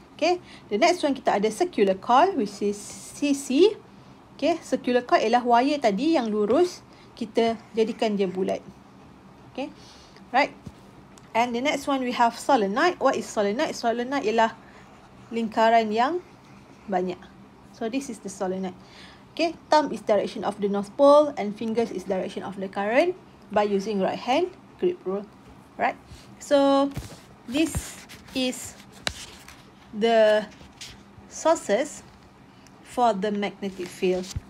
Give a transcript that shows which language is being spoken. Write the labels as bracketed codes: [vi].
[en] Okay, the next one kita ada circular coil, which is CC. [ms] Okay, circular coil ialah wire tadi yang lurus, kita jadikan dia bulat. [en] Okay, right. And the next one we have solenoid. What is solenoid? [ms] Solenoid ialah lingkaran yang banyak. [en] So this is the solenoid. Okay, thumb is direction of the north pole and fingers is direction of the current by using right hand grip rule. Right, so this is the sources for the magnetic field.